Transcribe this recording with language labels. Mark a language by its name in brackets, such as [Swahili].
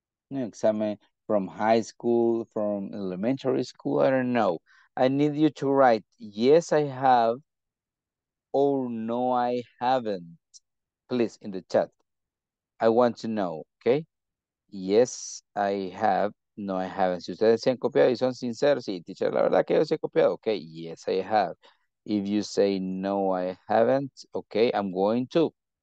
[Spanish] Un examen [English] from high school, from elementary school, I don't know. I need you to write, yes, I have, or no, I haven't. Please, in the chat, I want to know, okay? Yes, I have. No, I haven't. [Spanish] Si ustedes se han copiado y son sinceros, sí, teacher, la verdad que yo se he copiado. [English] Okay, yes, I have. If you say, no, I haven't, okay, I'm going to.